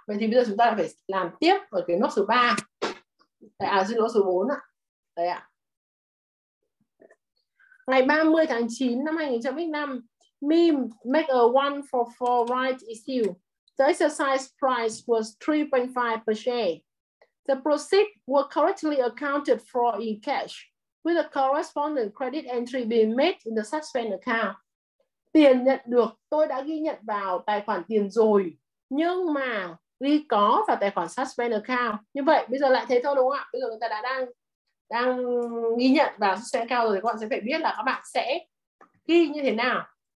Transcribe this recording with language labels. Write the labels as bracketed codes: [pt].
[vi] Vậy thì bây giờ chúng ta lại phải làm tiếp ở cái nốt số 3. Đấy, à, xin lỗi, số 4 ạ. Đấy ạ. Ngày 30 tháng 9 năm 2005, [en] Mim make a 144 right issue. The exercise price was 3.5 per share. The proceeds were correctly accounted for in cash, with a corresponding credit entry being made in the suspended account. [vi] Tiền nhận được, tôi đã ghi nhận vào tài khoản tiền rồi, nhưng mà ghi có vào tài khoản suspended account. Như vậy, bây giờ lại thế thôi đúng không ạ? Bây giờ chúng ta đã đang ghi nhận vào suspended account rồi, các bạn sẽ phải biết là các bạn sẽ ghi như thế nào.